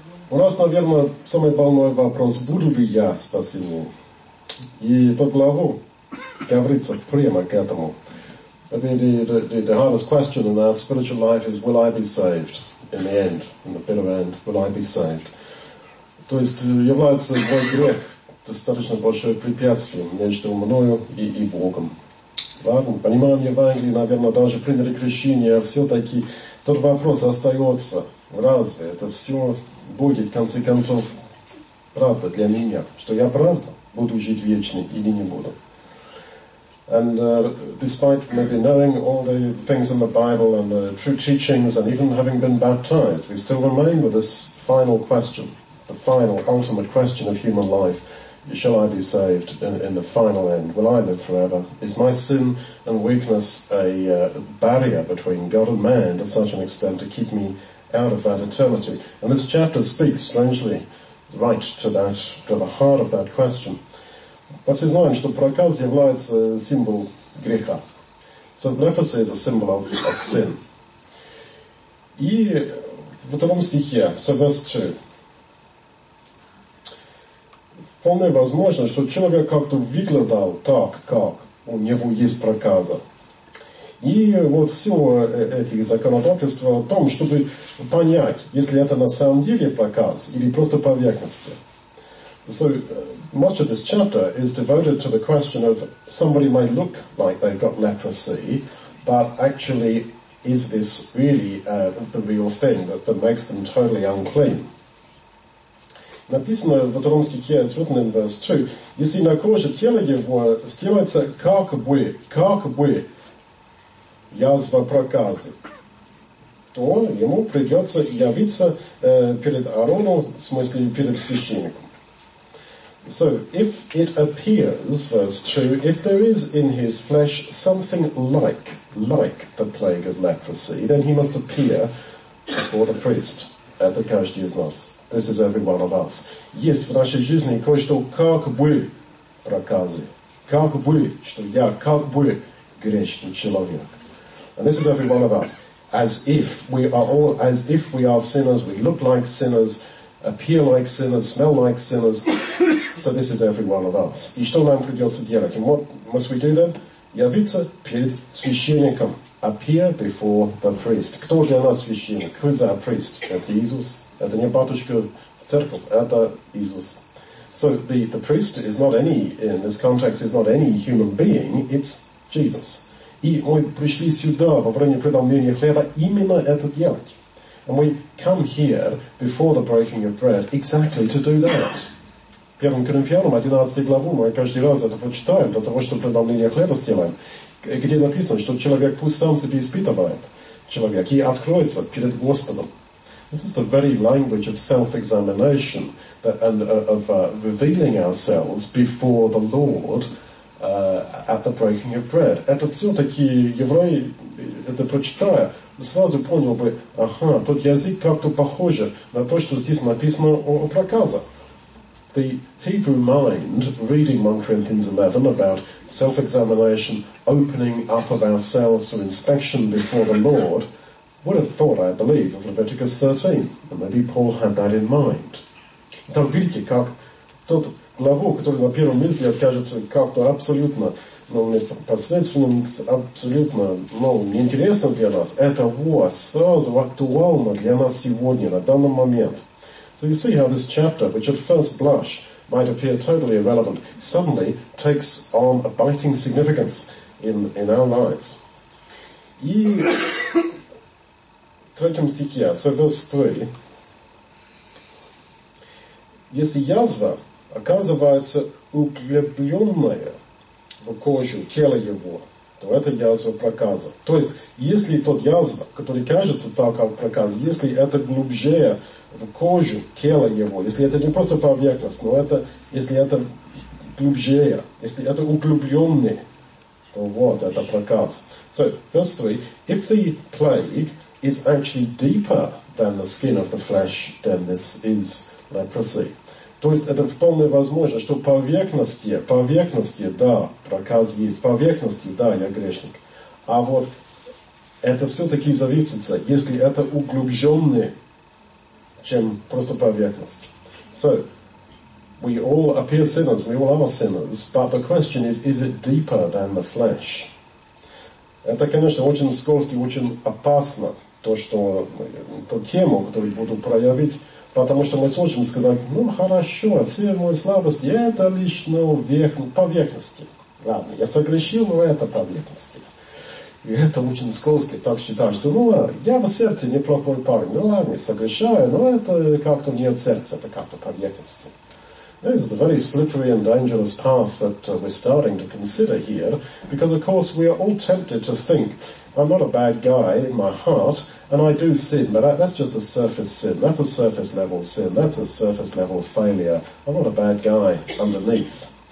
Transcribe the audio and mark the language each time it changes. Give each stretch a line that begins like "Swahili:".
Russian: У нас, наверное, самый больной вопрос: буду ли я спасены? И эту главу говорится прямо к этому.
English: The hardest question in our spiritual life is, will I be saved? In the bitter end, will I be saved?
Russian: То есть является мой грех достаточно большое препятствие между мною и Богом. Ладно, понимаем Евангелие, наверное, даже приняли крещение, все-таки тот вопрос остается, разве это все будет, в конце концов, правда для меня, что я правда буду жить вечно или не буду.
English: And despite maybe knowing all the things in the Bible and the true teachings and even having been baptized, we still remain with this final question, the final, ultimate question of human life. Shall I be saved in the final end? Will I live forever? Is my sin and weakness a barrier between God and man to such an extent to keep me out of that eternity? And this chapter speaks strangely right to that, to the heart of that question. But we know that
Russian: проказ является символ греха.
English: So leprosy is a symbol of sin.
Russian: И в втором стихе,
English: so verse 2.
Russian: Вполне возможно, что человек как-то выглядал так, как у него есть проказа. И вот все эти законодательства о том, чтобы понять, если это на самом деле проказ или просто поверхность.
English: So much of this chapter is devoted to the question of somebody might look like they've got leprosy, but actually is this really the real thing that makes them totally unclean?
Russian: Написано в втором стихе,
English: it's written in verse 2,
Russian: если на коже тела его сделается как бы язва проказы, то ему придется явиться перед Аарону, в смысле перед священником.
English: So, if it appears, verse 2, if there is in his flesh something like the plague of leprosy, then he must appear before the priest.
Russian: Это каждый из нас.
English: This is every one of us.
Russian: Есть в нашей жизни кое-что как бы проказы. Как бы, что я как бы грешный человек.
English: And this is every one of us. As if we are sinners, we look like sinners, appear like sinners, smell like sinners. So this is every one of us.
Russian: И что нам придется делать?
English: And what must we do then?
Russian: Явиться перед священником.
English: Appear before the priest.
Russian: Кто для нас священник?
English: Who is our priest?
Russian: Это Иисус. Это не батюшка церковь. Это Иисус.
English: So the priest is not any, in this context, is not any human being. It's Jesus.
Russian: И мы пришли сюда во время преломления хлеба именно это делать.
English: And we come here before the breaking of bread exactly to do that.
Russian: 1 Коринфянам 11 главу, мы каждый раз это прочитаем, для того, чтобы преломление хлеба сделаем, где написано, что человек пусть сам себя испытывает, человек, и откроется перед Господом.
English: This is the very language of self-examination revealing ourselves before the Lord at the breaking of bread.
Russian: Это все-таки еврей, это прочитая, сразу понял бы, ага, тот язык как-то похож на то, что здесь написано о проказах.
English: The Hebrew mind, reading 1 Corinthians 11 about self-examination, opening up of ourselves to inspection before the Lord, would have thought, I believe, of Leviticus 13. And maybe Paul had that in mind.
Russian: Так видите, как тот главу, который на первом месте кажется как-то абсолютно, ну, непосредственным, абсолютно, ну, неинтересным для нас, это вот сразу актуально для нас сегодня, на данный момент.
English: So you see how this chapter, which at first blush might appear totally irrelevant, suddenly takes on a biting significance in our lives.
Russian: И в третьем стихе,
English: so verse 3,
Russian: если язва оказывается углубленная в кожу тела его, то это язва проказа. То есть, если тот язва, который кажется так, как проказ, если это глубже в кожу тела его, если это не просто поверхность, но это, если это глубже, если это углубленный, то вот, это проказ.
English: So, verse 3, if the plague is actually deeper than the skin of the flesh, then this is leprosy.
Russian: То есть, это вполне возможно, что поверхности, да, проказ есть, поверхности, да, я грешник. А вот это все-таки зависит, если это углубленный, чем просто поверхность.
English: So, we all appear sinners, we all are sinners, but the question is it deeper than the flesh?
Russian: Это, конечно, очень скользко, очень опасно, то, что, ту тему, которую буду проявить, потому что мы сможем сказать, ну, хорошо, все мои слабости, это лишь поверхности. Ладно, я согрешил, но это поверхности. И это очень скользко, так считаю, что, ну, я в сердце неплохой парень, ну, ладно, согрешаю, но это как-то не от сердца, это как-то поверхности.
English: This is a very slippery and dangerous path that we're starting to consider here, because of course we are all tempted to think, I'm not a bad guy in my heart, and I do sin, but that's just a surface sin, that's a surface level sin, that's a surface level failure, I'm not a bad guy underneath.